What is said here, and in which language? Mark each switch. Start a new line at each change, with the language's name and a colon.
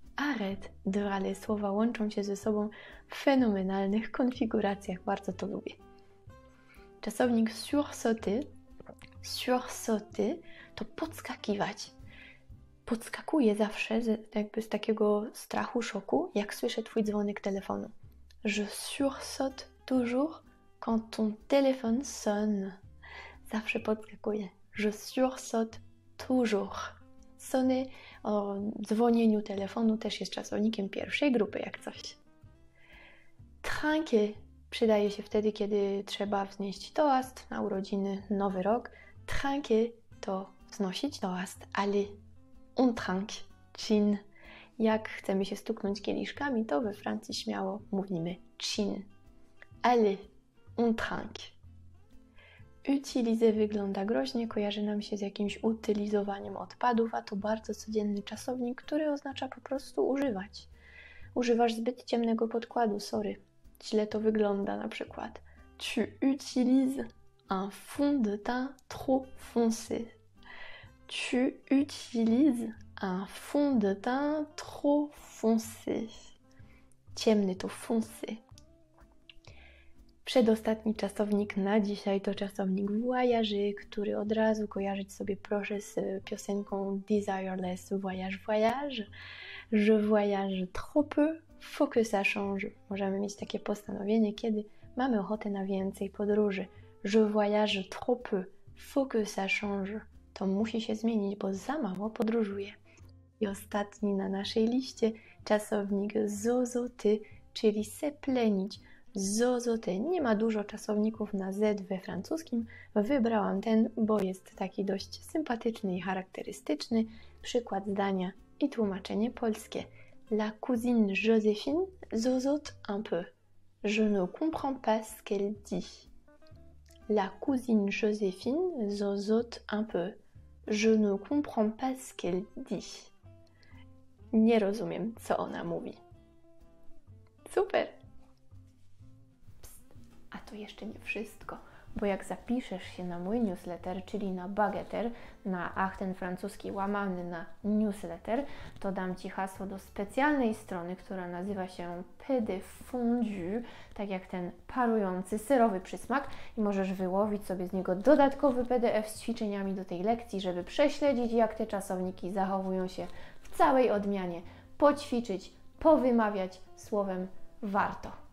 Polish: Aret, dwa te słowa łączą się ze sobą w fenomenalnych konfiguracjach, bardzo to lubię. Czasownik sursauter to podskakiwać. Podskakuję zawsze jakby z takiego strachu, szoku, jak słyszę twój dzwonek telefonu.
French: Je sursaute toujours quand ton téléphone sonne.
Polish: Zawsze podskakuję.
French: Je sursaute toujours.
Polish: Sony o dzwonieniu telefonu też jest czasownikiem pierwszej grupy, jak coś. Trinquer przydaje się wtedy, kiedy trzeba wznieść toast na urodziny, nowy rok. Trinquer to wznosić toast.
French: Allez, on trinque, chin.
Polish: Jak chcemy się stuknąć kieliszkami, to we Francji śmiało mówimy chin.
French: Allez, on trinque.
Polish: Utilizer wygląda groźnie, kojarzy nam się z jakimś utylizowaniem odpadów, a to bardzo codzienny czasownik, który oznacza po prostu używać. Używasz zbyt ciemnego podkładu, sorry. Źle to wygląda na przykład.
French: Tu utilises un fond de teint trop foncé. Tu utilises un fond de teint trop foncé.
Polish: Ciemny to foncé. Przedostatni czasownik na dzisiaj to czasownik voyager, który od razu kojarzyć sobie proszę z piosenką Desireless Voyage Voyage.
French: Je voyage trop peu, faut que ça change.
Polish: Możemy mieć takie postanowienie, kiedy mamy ochotę na więcej podróży.
French: Je voyage trop peu, faut que ça change.
Polish: To musi się zmienić, bo za mało podróżuję. I ostatni na naszej liście czasownik zozoty, czyli se plenić. Zozoty. Nie ma dużo czasowników na Z we francuskim. Wybrałam ten, bo jest taki dość sympatyczny i charakterystyczny. Przykład zdania i tłumaczenie polskie.
French: La cousine Joséphine zozote un peu. Je ne comprends pas ce qu'elle dit. La cousine Joséphine zozote un peu. Je ne comprends pas ce qu'elle dit.
Polish: Nie rozumiem, co ona mówi. Super! A to jeszcze nie wszystko, bo jak zapiszesz się na mój newsletter, czyli na Bagetter, na ach ten francuski łamany na newsletter, to dam Ci hasło do specjalnej strony, która nazywa się PD Fondue, tak jak ten parujący, syrowy przysmak i możesz wyłowić sobie z niego dodatkowy PDF z ćwiczeniami do tej lekcji, żeby prześledzić, jak te czasowniki zachowują się w całej odmianie, poćwiczyć, powymawiać, słowem warto.